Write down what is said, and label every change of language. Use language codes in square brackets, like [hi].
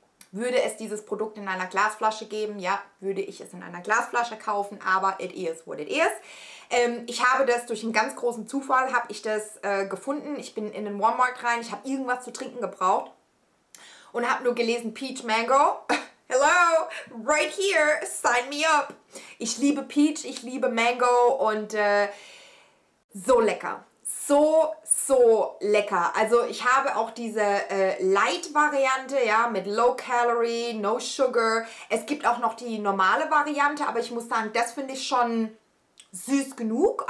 [de] Würde es dieses Produkt in einer Glasflasche geben? Ja, würde ich es in einer Glasflasche kaufen, aber [en] it is what it is. [de] Ich habe das durch einen ganz großen Zufall, habe ich das gefunden. Ich bin in den Walmart rein, ich habe irgendwas zu trinken gebraucht und habe nur gelesen Peach Mango. [en] Hello, right here, sign me up. [de] Ich liebe Peach, ich liebe Mango und so lecker. So, so lecker. Also ich habe auch diese Light-Variante, ja, mit Low-Calorie, No-Sugar. Es gibt auch noch die normale Variante, aber ich muss sagen, das finde ich schon süß genug.